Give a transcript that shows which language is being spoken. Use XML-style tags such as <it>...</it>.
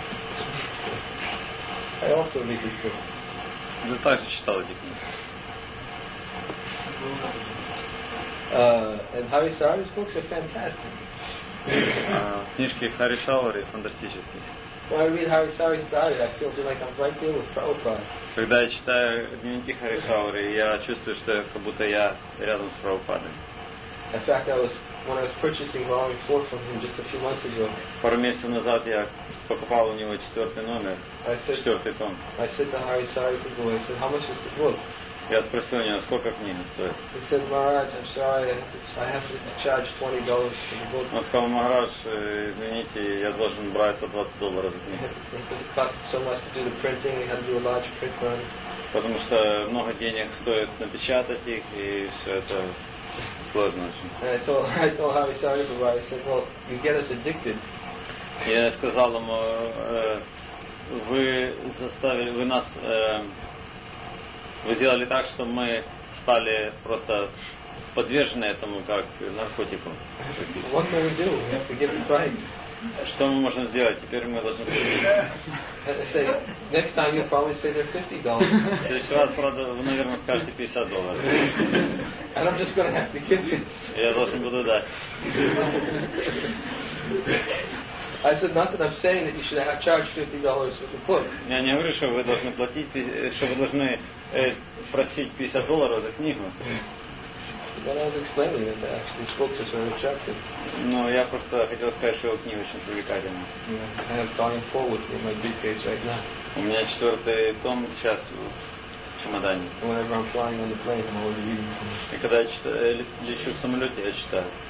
<en>I also read his books.</en> <ru>Я также читал эти книги.</ru> <en>And Hari Sarvi's books are fantastic.</en> <ru>Книжки Хари Шаури фантастические.</ru> <en>When I read Hari Sarvi's diary, I feel like I'm right there with Prabhupada.</en> <ru>Когда я читаю дневники Хари Шаури, я чувствую, что как будто я рядом с Прабхупадой.</ru> <en>In fact, I was when I was purchasing volume 4 from him just a few months ago.</en> <ru>Пару месяцев назад я покупал у него четвертый номер. Четвертый том.</ru> <en>I said to Hari Sarvi people, I said, how much is the book?</en> <ru>Я спросил у него, сколько книги стоит.</ru> <en>He said, Maharaj, I'm sorry, I have to charge $20 for the book.</en> <ru>Он сказал, Maharaj, извините, я должен брать по $20 за книгу.</ru> <en>Because it costs so much to do the printing, we had to do a large print run.</en> <ru>Потому что много денег стоит напечатать их, и все это сложно очень.</ru> <en>And I told Hari Sarvi Baba, I said, well, you get us addicted.</en> <ru>Я сказал ему, вы заставили, вы нас... Вы сделали так, что мы стали просто подвержены этому, как наркотику.</ru> <en>What can we do? We have to give advice.</en> <ru>Что мы можем сделать? Теперь мы должны...</ru> <en>I say, next time you'll probably say they're $50.</en> <ru>В следующий раз, правда, вы, наверное, скажете $50.</ru> <en>And I'm just going to have to give it.</en> <ru>Я должен буду дать.</ru> <en>I said not that I'm saying that you should have charged $50 for the book.</en> <ru>Я не говорю, что вы должны платить, что вы должны просить $50 за книгу.</ru> <en>But I was explaining that actually these books are very attractive.</en> <ru>Ну, я просто хотел сказать, что его книги очень привлекательны.</ru> <en>I have volume 4 with me in my briefcase right now.</en> <ru>У меня четвертый том сейчас в чемодане.</ru> <en>Whenever I'm flying on the plane, I'm already reading.</en> <ru>И когда я читаю, лечу в самолете, я читаю.</ru>